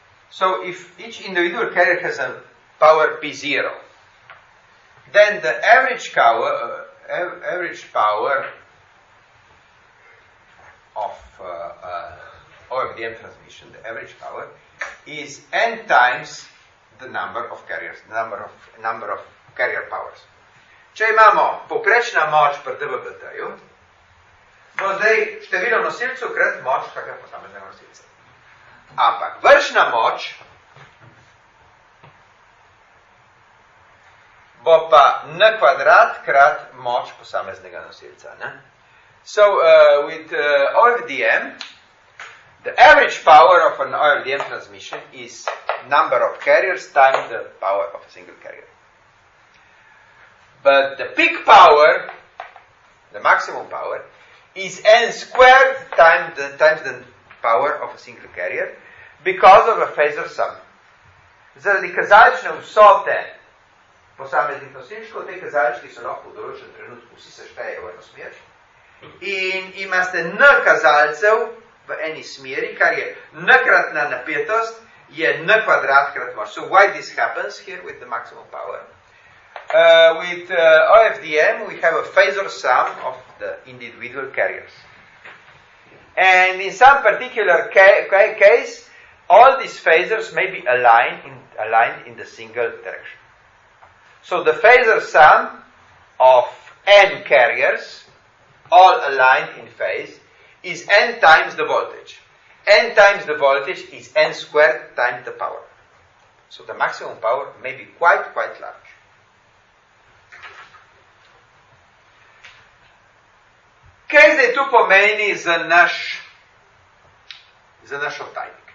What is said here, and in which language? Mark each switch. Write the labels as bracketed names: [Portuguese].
[English] So if each individual carrier has a power P0, then the average power, average power of OFDM transmission, the average power, is n times the number of carriers, the number of carrier powers. [Slovenian] Če imamo poprečna moč pri DVB-T-ju, bo zdaj število nosilcev krat moč kakega posameznega nosilca. Ampak vršna moč bo pa n kvadrat krat moč posameznega nosilca. Ne? [English] So, with OFDM, the average power of an OFDM transmission is number of carriers times the power of a single carrier. But the peak power, the maximum power, is n squared times the power of a single carrier, because of a phasor sum. [Slovenian] Zaradi kazalične vsote posameznih nosilčkov, te kazalčki so lahko v določen trenutku, vsi se šteje v eno smer. In imate n kazalcev v eni smeri, kar je n kratna napetost, je n kvadrat krat moč. [English] So why this happens here with the maximum power? With OFDM, we have a phasor sum of the individual carriers. And in some particular case, all these phasors may be aligned in the single direction. So the phasor sum of n carriers, all aligned in phase, is n times the voltage. N times the voltage is n squared times the power. So the maximum power may be quite, quite large. [Slovenian] Kaj zdaj tu pomeni za naš oddajnik?